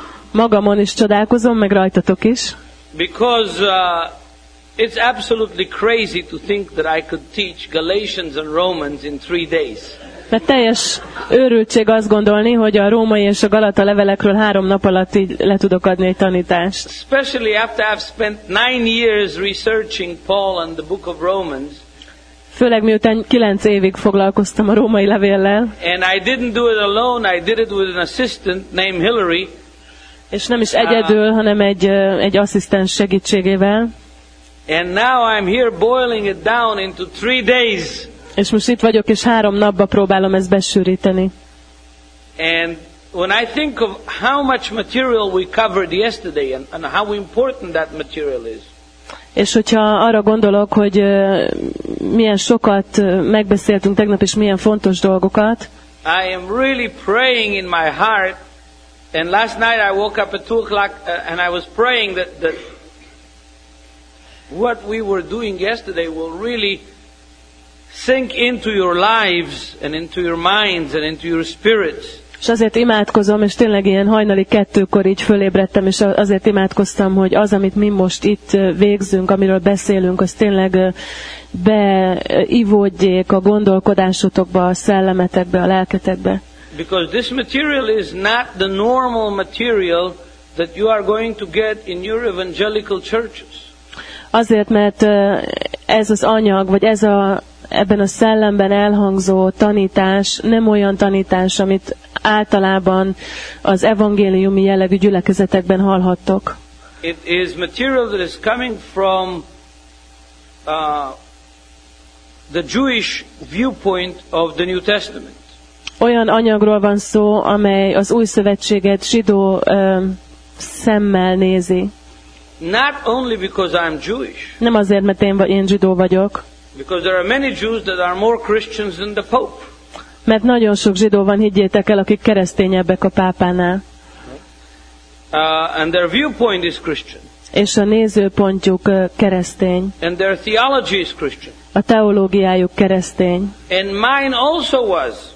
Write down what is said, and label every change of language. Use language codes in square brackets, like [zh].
[hu] Magamon is csodálkozom, meg rajtatok is. [en] Because it's absolutely crazy to think that I could teach Galatians and Romans in 3 days. [hu] Mert teljes őrültség azt gondolni, hogy a római és a galata levelekről 3 nap alatt így le tudok adni egy tanítást. [en] Especially after I've spent 9 years researching Paul and the book of Romans. [hu] Főleg miután 9 évig foglalkoztam a római levéllel. [en] And I didn't do it alone, I did it with an assistant named Hillary. [hu] És nem is egyedül, hanem egy asszisztens segítségével. [en] And now I'm here boiling it down into 3 days. [hu] És most itt vagyok, és 3 napba próbálom ezt besűríteni. [en] And when I think of how much material we covered yesterday and how important that material is. [hu] És hogyha arra gondolok, hogy milyen sokat megbeszéltünk tegnap, és milyen fontos dolgokat. [en] I am really praying in my heart, and last night I woke up at 2 o'clock and I was praying that what we were doing yesterday will really sink into your lives and into your minds and into your spirits. [hu] És azért imádkozom, és tényleg ilyen hajnali 2-kor így fölébredtem, és azért imádkoztam, hogy az, amit mi most itt végzünk, amiről beszélünk, az tényleg beivódjék a gondolkodásotokba, a szellemetekbe, a lelketekbe. [en] Because this material is not the normal material that you are going to get in your evangelical churches. [hu] Azért, mert ez az anyag, vagy ez a ebben a szellemben elhangzó tanítás nem olyan tanítás, amit általában az evangéliumi jellegű gyülekezetekben hallhattok. [en] It is material that is coming from the Jewish viewpoint of the New Testament. [hu] Olyan anyagról van szó, amely az Új Szövetséget zsidó szemmel nézi. [en] Not only because I'm Jewish. [hu] Nem azért, mert én zsidó vagyok. [en] Because there are many Jews that are more Christians than the Pope. [hu] Mert nagyon sok zsidó van, higgyétek el, akik keresztényebbek a pápánál. [en] And their viewpoint is Christian. [hu] És a nézőpontjuk keresztény. [en] And their theology is Christian. [hu] A teológiájuk keresztény. [en] And mine also was.